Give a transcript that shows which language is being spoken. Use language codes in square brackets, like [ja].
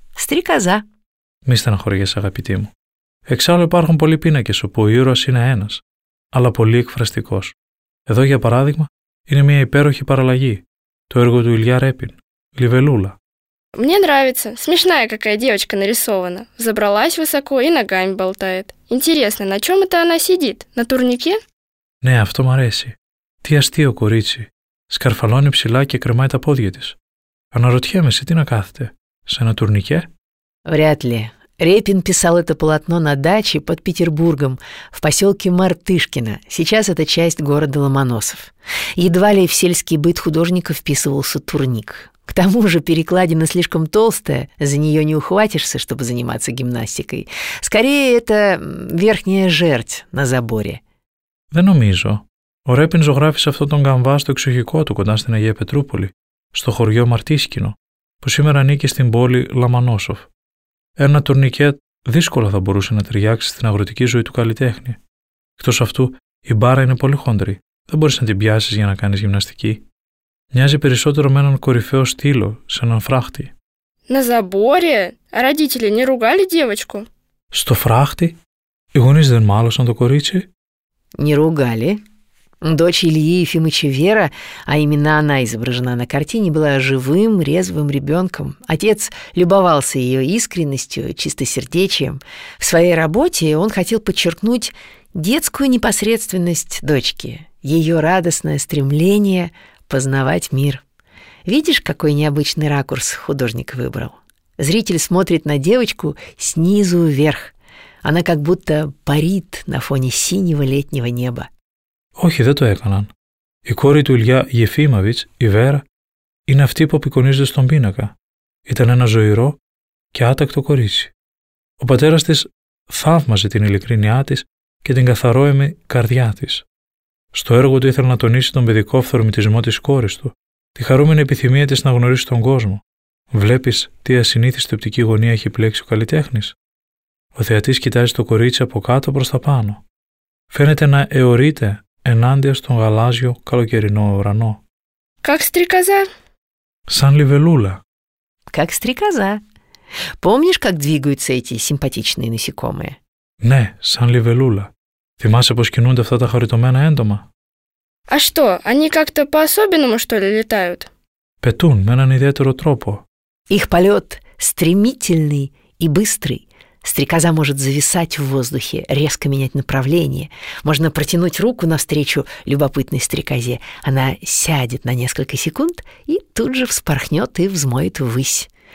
[ru] «Стрекоза». [el] Μη στεναχωριέσαι, αγαπητή μου. Εξάλλου υπάρχουν πολλοί πίνακες όπου ο ήρωας είναι ένας, αλλά πολύ εκφραστικός. Εδώ, για παράδειγμα, είναι μια υπέροχη παραλλαγή. Το έργο του Ηλιά Ρέπιν. Λιβελούλα. [ru] Мне нравится. Смешная какая девочка нарисована. Забралась высоко и ногами болтает. Интересно, на чем это она сидит? На турнике? [el] Ναι, αυτό μ' αρέσει. Τι αστείο κορίτσι. Σκαρφαλώνει ψηλά και κρεμάει τα πόδια της. Αναρωτιέμαι σε τι να κάθεται. Σε ένα τουρνικέ? [ru] Вряд ли. Репин писал это полотно на даче под Петербургом, в поселке Мартышкино, сейчас это часть города Ломоносов. Едва ли в сельский быт художника вписывался турник. К тому же перекладина слишком толстая, за нее не ухватишься, чтобы заниматься гимнастикой. Скорее, это верхняя жердь на заборе. [el] Δεν νομίζω. Ο Ρέπιν ζωγράφησε αυτόν τον καμβά στο εξοχικό του, κοντά στην Αγία Πετρούπολη, στο χωριό Μαρτίσκινο, που σήμερα ανήκει στην πόλη Λαμανόσοφ. Ένα τουρνικέτ δύσκολα θα μπορούσε να ταιριάξει στην αγροτική ζωή του καλλιτέχνη. Εκτός αυτού, η μπάρα είναι πολύ χοντρή. Δεν μπορείς να την πιάσεις για να κάνεις γυμναστική. Μοιάζει περισσότερο με έναν κορυφαίο στήλο, σε έναν φράχτη. [ru] На заборе? Родители не ругали девочку? [el] Στο φράχτη? Οι γονείς δεν μάλωσαν το κορίτσι? [ru] Не ругали. Дочь Ильи Ефимовича Вера, а именно она изображена на картине, была живым, резвым ребенком. Отец любовался ее искренностью, чистосердечием. В своей работе он хотел подчеркнуть детскую непосредственность дочки, ее радостное стремление познавать мир. Видишь, какой необычный ракурс художник выбрал? Зритель смотрит на девочку снизу вверх. Она как будто парит на фоне синего летнего неба. [el] Όχι, δεν το έκαναν. Η κόρη του Ηλιά Γεφίμαβιτς, η Βέρα, είναι αυτή που απεικονίζεται στον πίνακα. Ήταν ένα ζωηρό και άτακτο κορίτσι. Ο πατέρας της θαύμαζε την ειλικρίνειά της και την καθαρόαιμη καρδιά της. Στο έργο του ήθελε να τονίσει τον παιδικό αυθορμητισμό της κόρης του, τη χαρούμενη επιθυμία της να γνωρίσει τον κόσμο. Βλέπεις τι ασυνήθιστη οπτική γωνία έχει πλέξει ο καλλιτέχνης. Ο θεατής κοιτάζει το κορίτσι από κάτω προς τα πάνω. Φαίνεται να αιωρείται ενάντια στον γαλάζιο καλοκαιρινό ουρανό. [ru] Как стрекоза. [el] Σαν λιβελούλα. [ru] Как стрекоза. Помнишь, как двигаются эти симпатичные насекомые? [el] Ναι, σαν λιβελούλα. Θυμάσαι πως κινούνται αυτά τα χαριτωμένα έντομα? [ru] А что, они как-то по-особенному, что ли, летают? [el] Πετούν με έναν ιδιαίτερο τρόπο. [ru] Их полет стремительный и быстрый. Стрекоза может зависать в воздухе, резко менять направление. Можно протянуть руку навстречу любопытной стрекозе. Она сядет на несколько секунд и тут же вспорхнет и взмоет ввысь.